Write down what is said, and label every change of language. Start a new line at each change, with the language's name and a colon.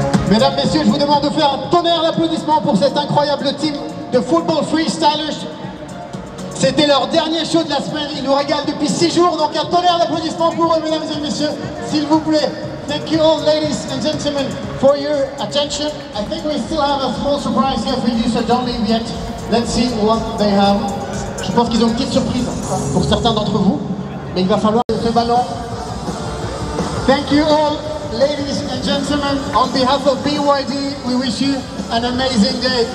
French: Mesdames, Messieurs, je vous demande de faire un tonnerre d'applaudissements pour cet incroyable team de football freestylers. C'était leur dernier show de la semaine, ils nous régalent depuis 6 jours, donc un tonnerre d'applaudissements pour eux, Mesdames et Messieurs, s'il vous plaît.
English: Thank you all, ladies and gentlemen, for your attention. I think we still have a small surprise here for you, so don't leave yet. Let's see what they have.
French: Je pense qu'ils ont une petite surprise pour certains d'entre vous, mais il va falloir ce ballon.
English: Thank you all. Ladies and gentlemen, on behalf of BYD, we wish you an amazing day.